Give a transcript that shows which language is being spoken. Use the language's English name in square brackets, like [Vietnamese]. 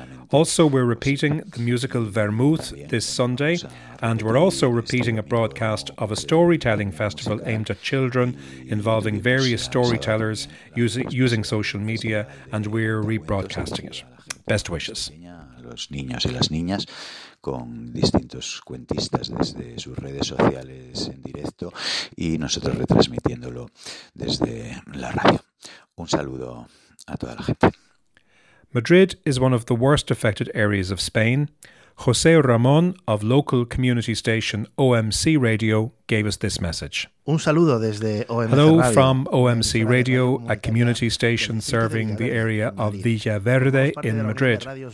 [English] Also, we're repeating the musical Vermouth this Sunday, and we're also repeating a broadcast of a storytelling festival aimed at children involving various storytellers using social media, and we're rebroadcasting it. Best wishes. [Spanish] Los niños y las niñas con distintos cuentistas desde sus redes sociales en directo y nosotros retransmitiéndolo desde la radio. Un saludo a toda la gente. [English] Madrid is one of the worst affected areas of Spain. José Ramón of local community station OMC Radio gave us this message. [Spanish] Un saludo desde OMC [English] Hello [Spanish] Radio. [English] From OMC Radio, a community station serving the area of Villaverde in Madrid.